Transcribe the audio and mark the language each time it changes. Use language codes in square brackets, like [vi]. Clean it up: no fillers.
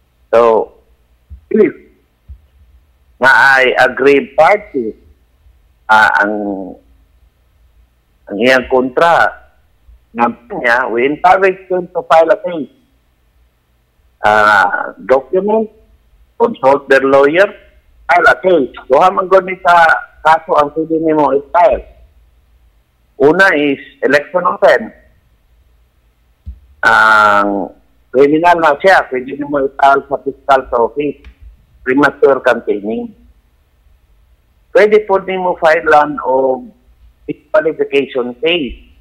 [ceb] So, na ay agreed party ang iyang kontra niya, [en] we encourage him to file a case. Document, consult their lawyer, file a case. [ceb] Kuha manggod ni sa kaso ang pwede ni mo i-file. [en] Una is election offense. [ceb] Ang criminal na siya, pwede ni mo i-file sa fiscal office, premature campaigning. Pwede po ni mo file lang o disqualification case.